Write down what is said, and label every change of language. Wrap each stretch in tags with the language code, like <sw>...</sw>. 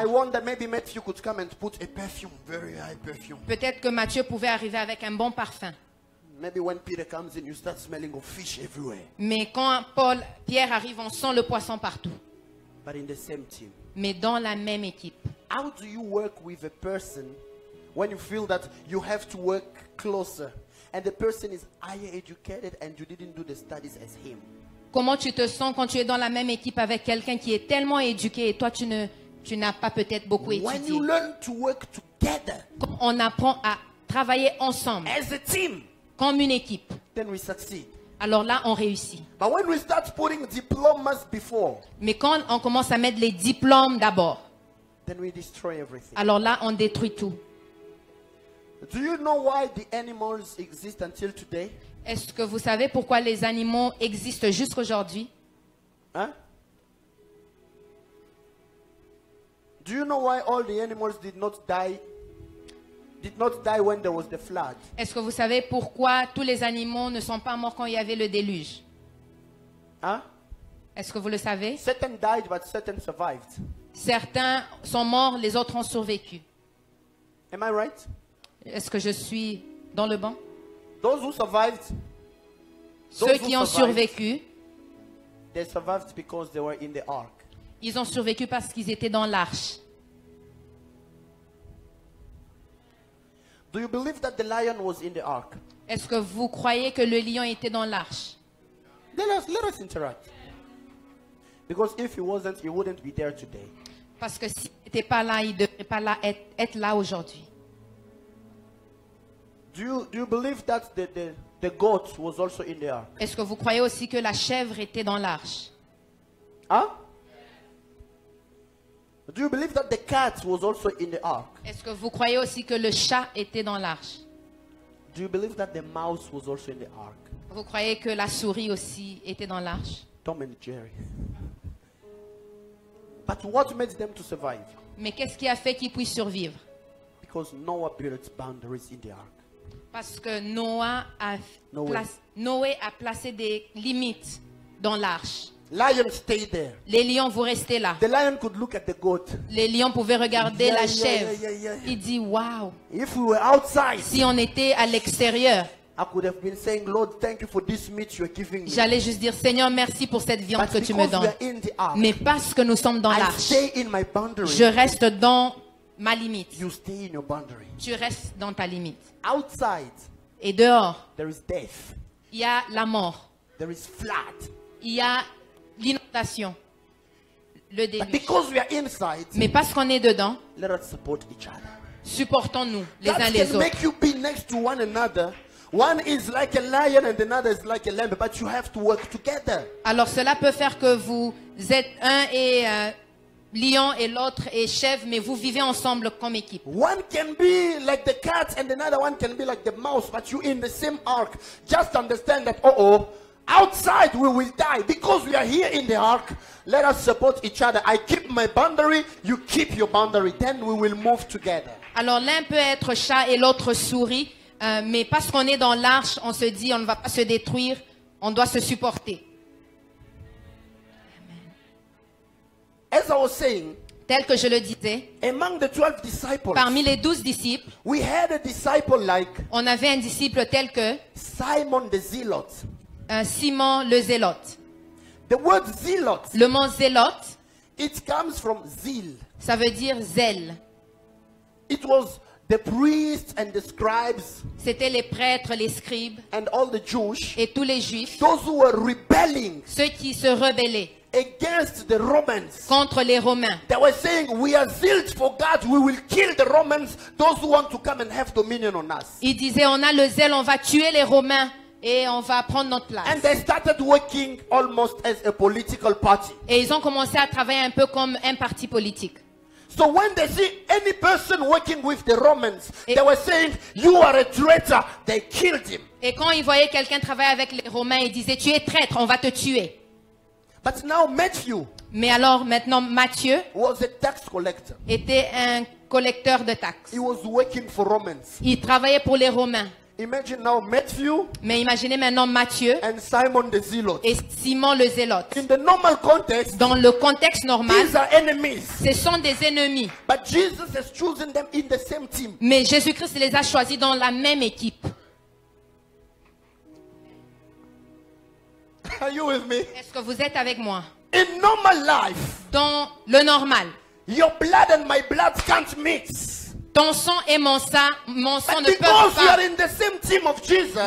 <en>I wonder maybe Matthew could come and put a perfume, very high perfume.</en> <fr>Peut-être que Matthieu pouvait arriver avec un bon parfum.</fr> <en>Maybe when Peter comes in, you start smelling of fish everywhere.</en> <fr>Mais quand Pierre arrive, on sent le poisson partout.</fr> <en>But in the same team.</en> <fr>Mais dans la même équipe.</fr> <en>How do you work with a person when you feel that you have to work closer and the person is higher educated and you didn't do the studies as him?</en> <fr>Comment tu te sens quand tu es dans la même équipe avec quelqu'un qui est tellement éduqué et toi tu ne tu n'as pas peut-être beaucoup étudié.</fr> <en>When you learn to work together,</en> <fr>quand on apprend à travailler ensemble,</fr> <en>as a team,</en> <fr>comme une équipe,</fr> <en>then we succeed.</en> <fr>Alors là, on réussit.</fr> <en>But when we start putting diplomas before,</en> <fr>mais quand on commence à mettre les diplômes d'abord,</fr> <en>then we destroy everything.</en> <fr>Alors là, on détruit tout.</fr> <en>Do you know why the animals exist until today?</en> <fr>Est-ce que vous savez pourquoi les animaux existent jusqu'à aujourd'hui? Hein?</fr> <en>Do you know why all the animals did not die when there was the flood?</en> <fr>Est-ce que vous savez pourquoi tous les animaux ne sont pas morts quand il y avait le déluge? Hein? Est-ce que vous le savez?</fr> <en>Certain died, but certain survived.</en> <fr>Certains sont morts, les autres ont survécu.</fr> <en>Am I right?</en> <fr>Est-ce que je suis dans le bon?</fr> <en>Those who survived,</en> <fr>ceux qui ont survécu,</fr> <en>they survived because they were in the ark.</en> <fr>Ils ont survécu parce qu'ils étaient dans l'arche.</fr> <en>Do you believe that the lion was in the ark?</en> <fr>Est-ce que vous croyez que le lion était dans l'arche?</fr> <en>Let us interact. Because if he wasn't, he wouldn't be there today.</en> <fr>Parce que s'il n'était pas là, il ne devrait pas être là aujourd'hui.</fr> <en>Do you believe that the goat was also in the ark?</en> <fr>Est-ce que vous croyez aussi que la chèvre était dans l'arche? Huh?</fr> <en>Do you believe that the cat was also in the ark?</en> <fr>Est-ce que vous croyez aussi que le chat était dans l'arche?</fr> <en>Do you believe that the mouse was also in the ark?</en> <fr>Vous croyez que la souris aussi était dans l'arche?</fr> <en>Tom and Jerry. But what made them to survive?</en> <fr>Mais qu'est-ce qui a fait qu'ils puissent survivre?</fr> <en>Because Noah built boundaries in the ark.</en> <fr>Parce que Noé a placé des limites dans l'arche.</fr> <en>Lion stayed there.</en> <fr>Les lions vous restez là.</fr> <en>The lion could look at the goat.</en> <fr>Les lions pouvaient regarder</fr> <en>yeah,</en> <fr>la</fr> <en>yeah,</en> <fr>chèvre.</fr> <en>Yeah, yeah, yeah.</en> <fr>Il dit wow.</fr> <en>If we were outside,</en> <fr>si on était à l'extérieur,</fr> <en>I could have been saying, Lord, thank you for this meat you are giving me.</en> <fr>J'allais juste dire Seigneur, merci pour cette viande</fr> <en>But</en> <fr>que tu me donnes.</fr> <en>We are in the ark,</en> <fr>mais parce que nous sommes dans</fr> <en>I</en> <fr>l'arche,</fr> <en>stay in my boundary.</en> <fr>Je reste dans ma limite.</fr> <en>You stay in your boundary.</en> <fr>Tu restes dans ta limite.</fr> <en>Outside,</en> <fr>et dehors,</fr> <en>there is death.</en> <fr>Il y a la mort.</fr> <en>There is flood.</en> <fr>Il y a l'inondation, le déluge.</fr> <en>But because we are inside,</en> <fr>mais parce qu'on est dedans,</fr> <en>let us support each other.</en> <fr>Supportons-nous les uns les autres.</fr> <en>Make you be next to one another. One is like a lion and another is like a lamb, but you have to work together.</en> <fr>Alors cela peut faire que vous êtes un et lion et l'autre et chèvre, mais vous vivez ensemble comme équipe.</fr> <en>One can be like the cat and another one can be like the mouse, but you in the same ark. Just understand that. Outside we will die because we are here in the ark. Let us support each other. I keep my boundary, you keep your boundary. Then we will move together.</en> <fr>Alors l'un peut être chat et l'autre souris, mais parce qu'on est dans l'arche, on se dit on ne va pas se détruire, on doit se supporter.</fr> <en>As I was saying,</en> <fr>tel que je le disais,</fr> <en>among the 12 disciples,</en> <fr>parmi les 12 disciples,</fr> <en>we had a disciple like,</en> <fr>on avait un disciple tel que</fr> <en>Simon the Zealot.</en> <fr>Simon le zélote.</fr> <en>The word zealot,</en> <fr>le mot zélote,</fr> <en>it comes from zeal.</en> <fr>Ça veut dire zèle.</fr> <en>It was the priests and the scribes.</en> <fr>C'était les prêtres, les scribes.</fr> <en>And all the Jewish.</en> <fr>Et tous les juifs.</fr> <en>Those who were rebelling.</en> <fr>Ceux qui se rebellaient.</fr> <en>Against the Romans.</en> <fr>Contre les Romains.</fr> <en>They were saying, "We are zealous for God. We will kill the Romans. Those who want to come and have dominion on us."</en> <fr>Ils disaient, "On a le zèle, on va tuer les Romains." Et on va prendre notre place.</fr> <en>And they started working almost as a political party.</en> <fr>Et ils ont commencé à travailler un peu comme un parti politique.</fr> <en>So when they see any person working with the Romans, et they were saying, "You are a traitor." They killed him.</en> <fr>Et quand ils voyaient quelqu'un travailler avec les Romains, ils disaient, "Tu es traître, on va te tuer."</fr> <en>But now Matthew.</en> <fr>Mais alors maintenant Matthieu</fr> <en>was a tax collector.</en> <fr>Était un collecteur de taxes.</fr> <en>He was working for Romans.</en> <fr>Il travaillait pour les Romains.</fr> <en>Imagine now Matthew.</en> <fr>Mais imaginez maintenant Matthieu</fr> <en>and Simon the Zealot.</en> <fr>Et Simon le Zélote.</fr> <en>In the normal context,</en> <fr>dans le contexte normal,</fr> <en>these are enemies.</en> <fr>Ce sont des ennemis.</fr> <en>But Jesus has chosen them in the same team.</en> <fr>Mais Jésus-Christ les a choisis dans la même équipe.</fr> <en>Are you with me?</en> <fr>Est-ce que vous êtes avec moi?</fr> <en>In normal life,</en> <fr>dans le normal,</fr> <en>your blood and my blood can't mix.</en> <fr>Ton sang et mon sang ne peuvent pas.</fr>